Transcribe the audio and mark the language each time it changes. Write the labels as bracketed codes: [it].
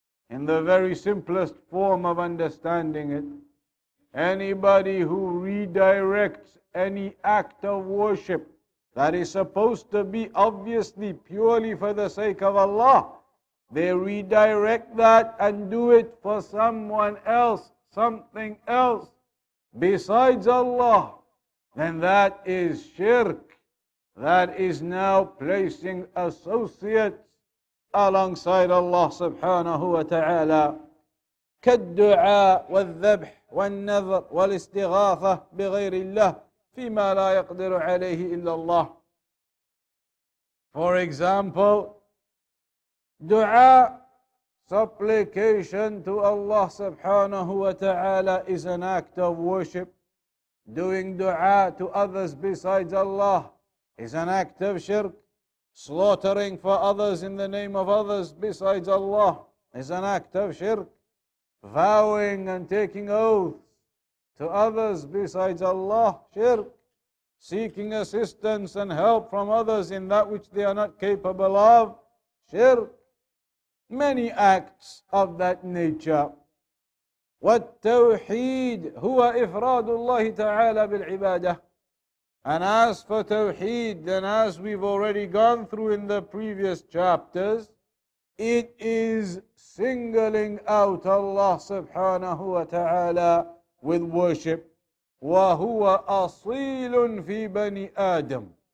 [en] In the very simplest form of understanding it, anybody who redirects any act of worship that is supposed to be obviously purely for the sake of Allah, they redirect that and do it for someone else, something else besides Allah, then that is shirk. That is now placing associates alongside Allah subhanahu wa ta'ala. [ar] كالدعاء والذبح والنذر والاستغاثة بغير الله فيما لا يقدر عليه إلا الله. [en] For example, dua, supplication to Allah subhanahu wa ta'ala, is an act of worship. Doing dua to others besides Allah is an act of shirk. Slaughtering for others in the name of others besides Allah is an act of shirk. Vowing and taking oaths to others besides Allah, shirk. Seeking assistance and help from others in that which they are not capable of, shirk. Many acts of that nature. [ar] والتوحيد هو إفراد الله تعالى بالعبادة. [en] And as for tawheed, then as we've already gone through in the previous chapters, it is singling out Allah subhanahu wa ta'ala with worship. [ar] وَهُوَ أَصِيلٌ فِي بَنِي آدَمٍ.